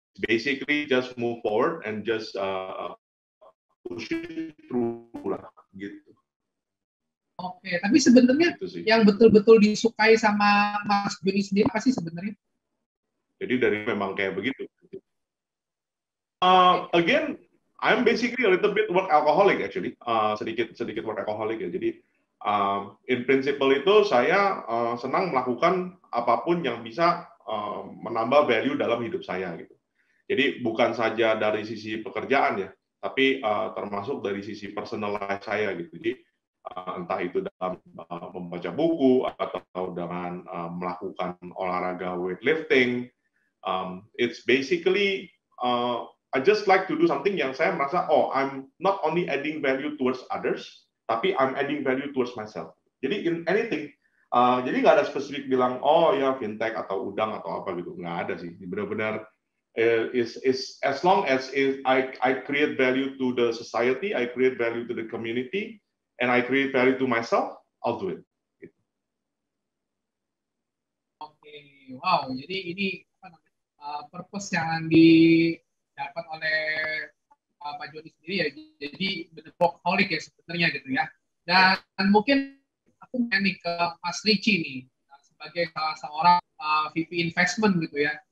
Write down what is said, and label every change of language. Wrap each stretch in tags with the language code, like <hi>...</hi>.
<en>Basically, just move forward and just push it through, lah, gitu.</en> <id>Oke, tapi sebenarnya yang betul-betul disukai sama Mas Joni sendiri apa sih sebenarnya? Jadi dari memang kayak begitu.</id> <en>Again, I'm basically a little bit work alcoholic actually.</en> <id>Sedikit work alcoholic ya. Jadi</id> <en>in principle</en> <id>itu saya senang melakukan apapun yang bisa menambah value dalam hidup saya gitu. Jadi bukan saja dari sisi pekerjaan ya, tapi termasuk dari sisi personal life saya gitu. Jadi entah itu dalam membaca buku atau dengan melakukan olahraga weightlifting,</id> <en>it's basically I just like to do something</en> <id>yang saya merasa oh</id> <en>I'm not only adding value towards others tapi I'm adding value towards myself.</en> <id>Jadi</id> <en>in anything,</en> <id>jadi nggak ada spesifik bilang oh ya fintech atau udang atau apa gitu, nggak ada sih.</id> <en>Benar-benar is as long as I create value to the society, I create value to the community, and I create value to myself, I'll do it. Oke, okay. Wow.</en> <id>Jadi ini purpose yang didapat oleh Pak Joni sendiri ya. Jadi benar-benar workaholic ya sebenarnya gitu ya. Dan yeah, mungkin aku nanya ke Mas Ricci nih sebagai salah seorang VP investment gitu ya.</id>